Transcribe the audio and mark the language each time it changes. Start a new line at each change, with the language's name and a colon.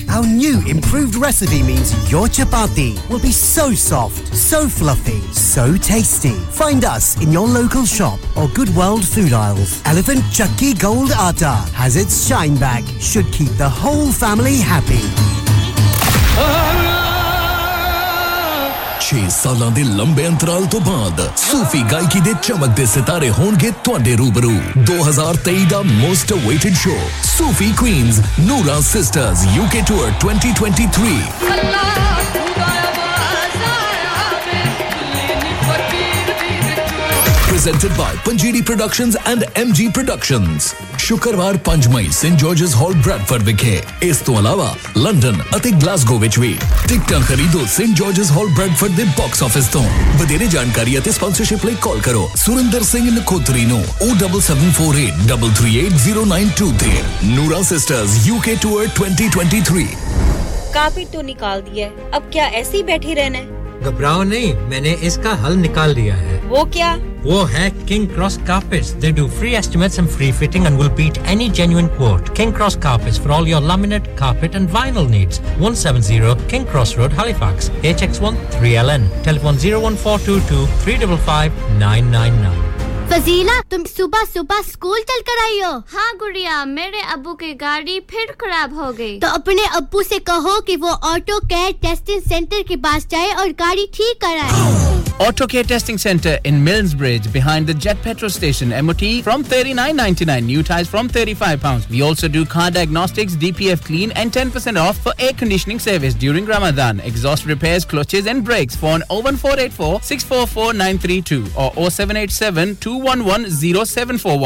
English: Our new improved recipe means your chapati will be so soft, so fluffy, so tasty. Find us in your local shop or Good World Food Aisles. Elephant Chakki Gold Atta has its shine back. Should keep the whole family happy.
Punjabi: 6 ਸਾਲਾਂ ਦੇ ਲੰਬੇ ਅੰਤਰਾਲ ਤੋਂ ਬਾਅਦ ਸੂਫੀ ਗਾਇਕੀ ਦੇ ਚਮਕਦੇ ਸਿਤਾਰੇ ਹੋਣਗੇ ਤੁਹਾਡੇ ਰੂਬਰੂ 2023 ਦਾ
English: most awaited show
Punjabi: Sufi Queen's Noora sisters UK tour 2023
English: presented by
Punjabi: panjiri productions and MG productions ਸ਼ੁੱਕਰਵਾਰ 5 ਮਈ ਸੇਂਟ ਜਾਰਜਸ ਹਾਲ ਬ੍ਰੈਡਫੋਰਡ ਵਿਖੇ ਇਸ ਤੋਂ ਇਲਾਵਾ ਲੰਡਨ ਅਤੇ ਗਲਾਸਗੋ ਵਿੱਚ ਵੀ ਟਿਕਟਾਂ ਖਰੀਦੋ ਸੇਂਟ ਜਾਰਜਸ ਹਾਲ ਬ੍ਰੈਡਫੋਰਡ ਦੇ ਬਾਕਸ ਆਫਿਸ ਤੋਂ ਵਧੇਰੇ ਜਾਣਕਾਰੀ ਅਤੇ ਸਪਾਂਸਰਸ਼ਿਪ ਲਈ ਕਾਲ ਕਰੋ ਸੁਰਿੰਦਰ ਸਿੰਘ ਨਖੋਤਰੀ ਨੂੰ 07748338092 ਨੂਰਾ ਸਿਸਟਰਸ UK ਟੂਰ 2023
Hindi: ਕਾਫੀ ਤੋਂ ਨਿਕਾਲ ਦੀ ਹੈ ਅਬ ਕਿਆ ਐਸੀ ਬੈਠੀ ਰਹਿਣਾ ਹੈ घबराओ नहीं मैंने इसका हल निकाल दिया है वो क्या
English: वो है King Cross Carpets they do free estimates and free fitting and will beat any genuine quote King Cross Carpets for all your laminate carpet and vinyl needs 170 King Cross Road Halifax HX1 3LN telephone 01422355999
Hindi: Fazila तुम सुबह सुबह school चल कर आई हो हाँ गुड़िया मेरे अब्बू की गाड़ी फिर खराब हो गई तो अपने अब्बू से कहो कि वो ऑटो केयर टेस्टिंग सेंटर के पास जाए और गाड़ी ठीक कराए
English: Auto Care Testing Center in Milnes Bridge behind the Jet Petrol Station MOT from £39.99. New tyres from £35. We also do car diagnostics, DPF clean and 10% off for air conditioning service during Ramadan. Exhaust repairs, clutches and brakes. Phone 01484 644932 or 0787 211074.